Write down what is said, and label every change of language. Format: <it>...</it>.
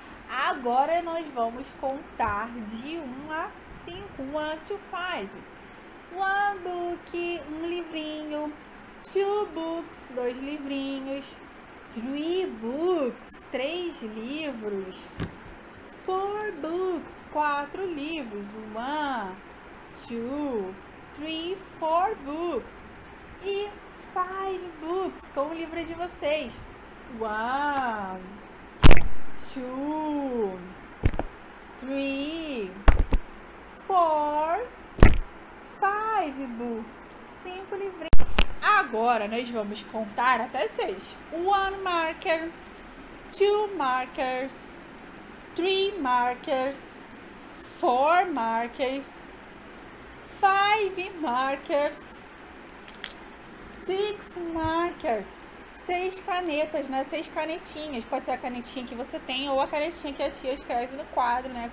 <pt>Agora nós vamos contar de 1 a 5, 1 to 5.</pt> <en>One book, um livrinho. Two books, dois livrinhos. Three books, três livros. Four books, quatro livros. One, two, three, four books.</en> <pt>E five books, com o livro de vocês. One, two, three, four, five books.</pt> <en>Cinco livrinhos.</en> <pt>Agora nós vamos contar até seis.</pt> <en>One marker, two markers, three markers, four markers, five markers, six markers.</en> <pt>Seis canetas, né? Seis canetinhas. Pode ser a canetinha que você tem ou a canetinha que a tia escreve no quadro, né?</pt>